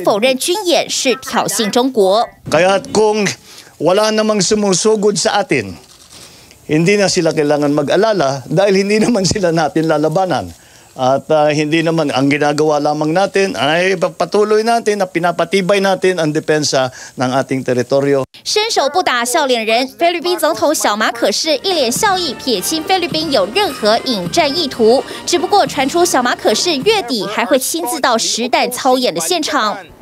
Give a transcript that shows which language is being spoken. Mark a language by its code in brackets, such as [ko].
[zh] 只不过菲律宾军方回应，和平时出海被骚扰相比，这只是小小不便。另外，也否认军演是挑衅中国。 [tl] Kaya kung wala namang sumusugod sa atin. Hindi na sila kailangan mag-alala dahil hindi naman sila natin lalabanan. At hindi naman ang ginagawa lamang natin ay patuloy natin na pinapatibay natin ang depensa ng ating teritoryo. [zh] 伸手不打笑脸人，菲律宾总统小马可士一脸笑意，撇清菲律宾有任何引战意图。只不过传出小马可士月底还会亲自到实弹操演的现场。